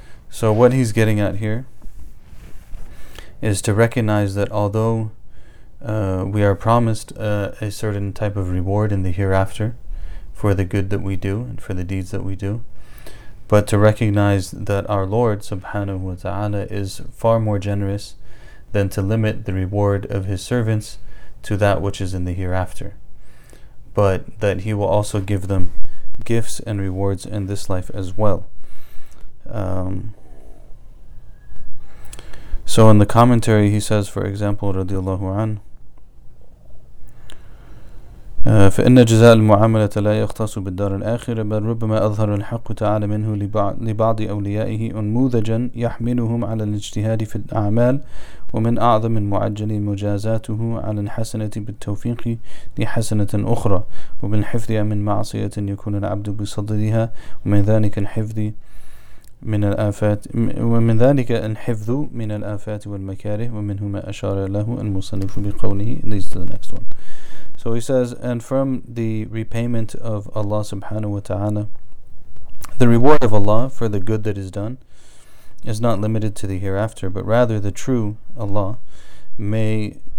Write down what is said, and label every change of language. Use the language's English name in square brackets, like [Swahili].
[English] So what he's getting at here is to recognize that although we are promised a certain type of reward in the hereafter for the good that we do and for the deeds that we do, but to recognize that our Lord subhanahu wa ta'ala is far more generous than to limit the reward of his servants to that which is in the hereafter, but that he will also give them gifts and rewards in this life as well. So in the commentary he says, for example, radiallahu an, [Arabic] فإن جزاء المعاملة لا يختص بالدار الآخرة بل ربما أظهر الحق تعالى منه لبعض أوليائه أنموذجا يحملهم على الاجتهاد في الأعمال ومن أعظم المعجل مجازاته على الحسنة بالتوفيق لحسنة أخرى وبالحفظ من معصية يكون العبد بصددها ومن ذلك الحفظ من الآفات ومن ذلك الحفظ من الآفات والمكاره ومنه ما أشار له المصنف بقوله ليس [English] the next one. So he says, and from the repayment of Allah subhanahu wa ta'ala, the reward of Allah for the good that is done is not limited to the hereafter, but rather the true Allah may